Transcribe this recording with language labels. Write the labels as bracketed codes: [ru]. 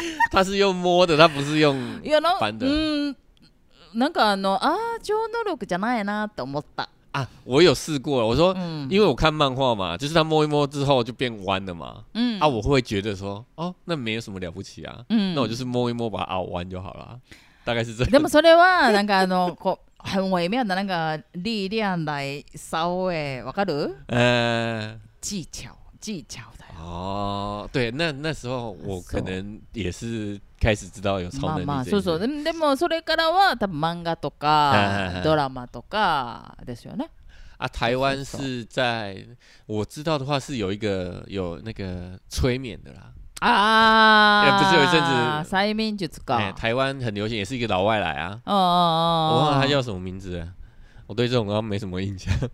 [zh] 他是用摸的，他不是用翻的。 [ja] なんかあ、超能力じゃないなって思った。 [zh] 啊，我有试过了。我说，因为我看漫画嘛，就是他摸一摸之后就变弯了嘛。啊，我会觉得说，那没有什么了不起啊。那我就是摸一摸把它凹弯就好了，大概是这样。 [ja] でもそれはなんかこう [zh] 很微妙的那个力量来稍微 [ja] わかる？ [zh] 技巧的。哦，对，那时候我可能也是开始知道有超能力。 [ja] そう。でもそれからは多分漫画とかドラマとかですよね。 [zh] 啊，台湾是在我知道的话是有那个催眠的啦。啊，不是有一阵子 [ja] 催眠術か。 [zh] 台湾很流行，也是一个老外来啊。哦，我忘了他叫什么名字。我对这种好像没什么印象。